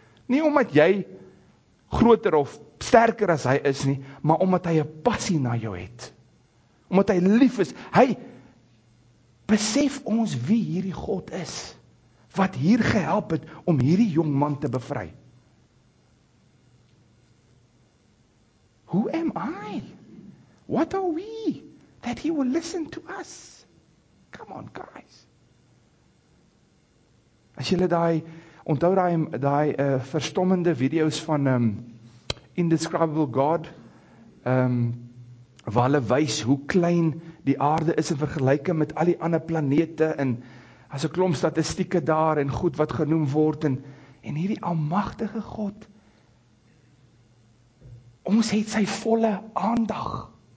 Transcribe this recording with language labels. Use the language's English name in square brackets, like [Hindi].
[Afrikaans] Nie omdat jy groter of sterker as hy is nie, maar omdat hy 'n passie na jou het. Omdat hy lief is. Hy besef ons wie hierdie God is, wat hier gehelp het om hierdie jong man te bevry. [English] Who am I? What are we that he will listen to us? Come on, guys. [Afrikaans] As jy daai onthou daai verstommende video's van Indescribable God, waar hulle wys hoe klein die aarde is in vergelyking met al die ander planete en as 'n klomp statistieke daar en goed wat genoem word en hierdie almagtige God, ons het sy volle aandag.